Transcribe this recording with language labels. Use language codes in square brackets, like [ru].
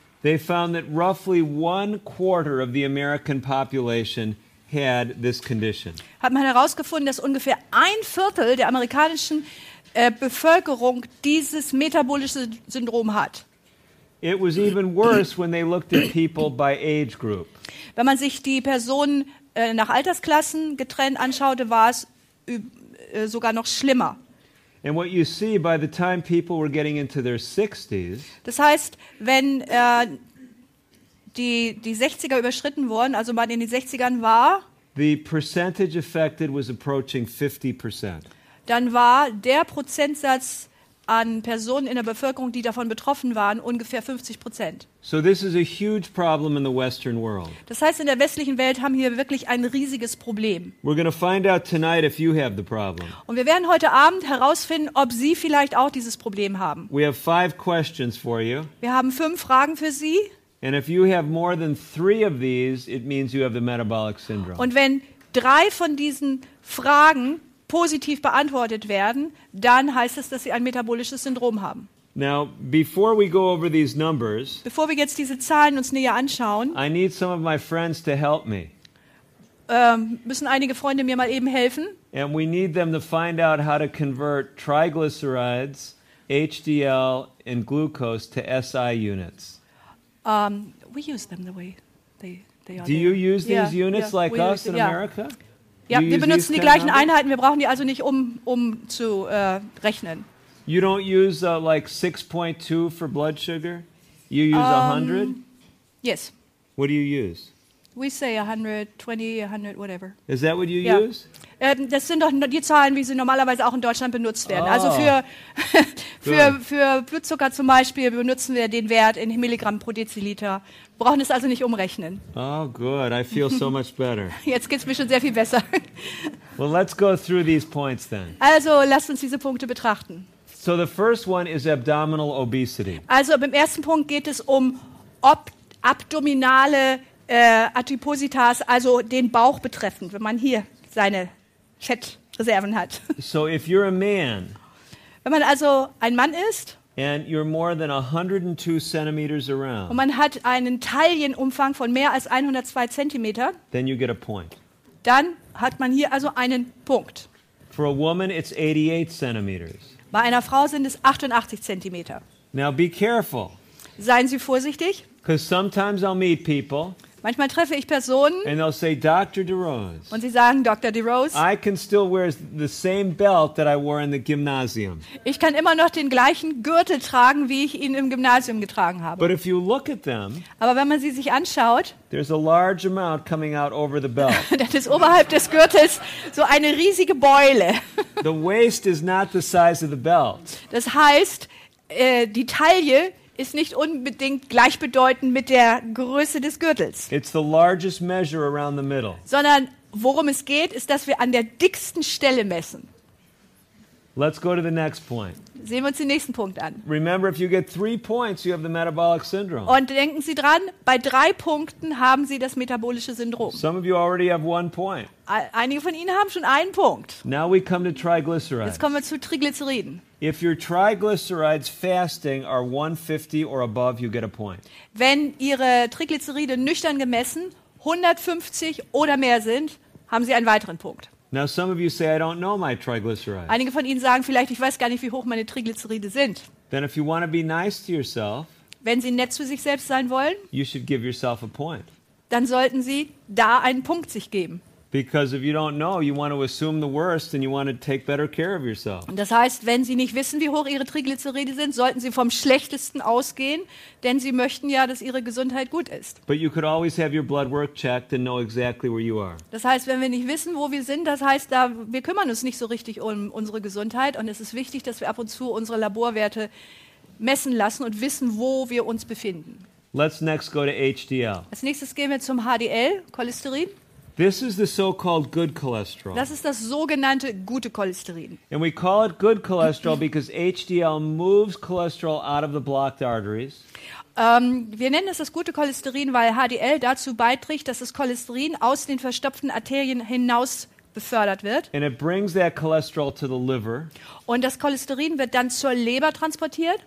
[en] they found that roughly one quarter of the American population had this condition. [de] Hat man herausgefunden, dass ungefähr ein Viertel der amerikanischen Bevölkerung dieses metabolische Syndrom hat. [en] It was even worse when they looked at people by age group. [de] Wenn man sich die Personen nach Altersklassen getrennt anschaute, war es sogar noch schlimmer. [en] And what you see by the time people were getting into their 60s. [de] Das heißt, wenn die 60er überschritten wurden, also man in den 60ern war, [en] the percentage affected was approaching 50%. [de] Dann war der Prozentsatz an Personen in der Bevölkerung, die davon betroffen waren, ungefähr 50%. [en] So this is a huge problem in the Western world. [de] Das heißt, in der westlichen Welt haben wir wirklich ein riesiges Problem. [en] We're going to find out tonight if you have the problem. [de] Und wir werden heute Abend herausfinden, ob Sie vielleicht auch dieses Problem haben. [en] We have 5 questions for you. [de] Wir haben 5 Fragen für Sie. [en] And if you have more than 3 of these, it means you have the metabolic syndrome. [de] Und wenn 3 von diesen Fragen positiv beantwortet werden, dann heißt es, dass Sie ein metabolisches Syndrom haben. [en] Now, before we go over these numbers, [de] bevor wir jetzt diese Zahlen uns näher anschauen, [en] I need some of my friends to help me. [de] Müssen einige Freunde mir mal eben helfen. [en] And we need them to find out how to convert triglycerides, HDL and glucose to SI units. We use them the way they are. Do there. You use yeah, these units yeah, like us use, in yeah. America? [de] Ja, wir benutzen die gleichen Einheiten, wir brauchen die also nicht um zu rechnen. [en] You don't use like 6.2 for blood sugar? You use 100? Yes. What do you use? We say 120, 100, whatever. Is that what you yeah. use? [de] Das sind doch die Zahlen, wie sie normalerweise auch in Deutschland benutzt werden. [en] Oh. [de] Also für Blutzucker zum Beispiel benutzen wir den Wert in Milligramm pro Deziliter. Wir brauchen es also nicht umrechnen. [en] Oh, good. I feel so much better. [de] Jetzt geht es mir schon sehr viel besser. [en] Well, let's go through these points then. [de] Also, lasst uns diese Punkte betrachten. [en] So the first one is abdominal obesity. [de] Also, beim ersten Punkt geht es um abdominale Adipositas, also den Bauch betreffend, wenn man hier seine Fettreserven hat. [en] So if you're a man, [de] wenn man also ein Mann ist, [en] and you're more than 102 centimeters around, [de] und man hat einen Taillenumfang von mehr als 102 Zentimeter, [en] then you get a point. [de] Dann hat man hier also einen Punkt. [en] For a woman, it's 88 centimeters. [de] Bei einer Frau sind es 88 Zentimeter. [en] Now be careful. [de] Seien Sie vorsichtig. [en] Because sometimes I'll meet people. [de] Manchmal treffe ich Personen. [en] And they'll say, Dr. DeRose. [de] Und sie sagen, Dr. DeRose. [en] I can still wear the same belt that I wore in the gymnasium. [de] Ich kann immer noch den gleichen Gürtel tragen, wie ich ihn im Gymnasium getragen habe. [en] But if you look at them. [de] Aber wenn man sie sich anschaut. [en] There's a large amount coming out over the belt. [de] Das ist oberhalb des Gürtels so eine riesige Beule. [en] The waist is not the size of the belt. [de] Das heißt, die Taille ist nicht unbedingt gleichbedeutend mit der Größe des Gürtels. [en] It's the largest measure around the middle. [de] Sondern worum es geht, ist, dass wir an der dicksten Stelle messen. [en] Let's go to the next point. [de] Sehen wir uns den nächsten Punkt an. [en] Remember, if you get 3 points, you have the metabolic syndrome. [de] Und denken Sie dran, bei 3 Punkten haben Sie das metabolische Syndrom. [en] Some of you already have 1 point. [de] Einige von Ihnen haben schon 1 Punkt. [en] Now we come to triglycerides. [de] Jetzt kommen wir zu Triglyceriden. [en] If your triglycerides fasting are 150 or above, you get a point. [de] Wenn Ihre Triglyceride nüchtern gemessen 150 oder mehr sind, haben Sie einen weiteren Punkt. [en] Now some of you say, I don't know my triglycerides. [de] Einige von Ihnen sagen vielleicht, ich weiß gar nicht, wie hoch meine Triglyceride sind. [en] Then if you want to be nice to yourself, [de] wenn Sie nett zu sich selbst sein wollen, [en] you should give yourself a point. [de] Dann sollten Sie da einen Punkt sich geben. [en] Because if you don't know, you want to assume the worst and you want to take better care of yourself. [de] Das heißt, wenn Sie nicht wissen, wie hoch Ihre Triglyceride sind, sollten Sie vom Schlechtesten ausgehen, denn Sie möchten ja, dass Ihre Gesundheit gut ist. [en] But you could always have your blood work checked and know exactly where you are. [de] Das heißt, wenn wir nicht wissen, wo wir sind, das heißt, da wir kümmern uns nicht so richtig um unsere Gesundheit und es ist wichtig, dass wir ab und zu unsere Laborwerte messen lassen und wissen, wo wir uns befinden. [en] Let's next go to HDL. [de] Als nächstes gehen wir zum HDL, Cholesterin. [en] This is the so-called good cholesterol. [de] Das ist das sogenannte gute Cholesterin. [en] And we call it good cholesterol because HDL moves cholesterol out of the blocked arteries. [de] Wir nennen es das gute Cholesterin, weil HDL dazu beiträgt, dass das Cholesterin aus den verstopften Arterien hinaus befördert wird. [en] And it brings that cholesterol to the liver. [de] Und das Cholesterin wird dann zur Leber transportiert.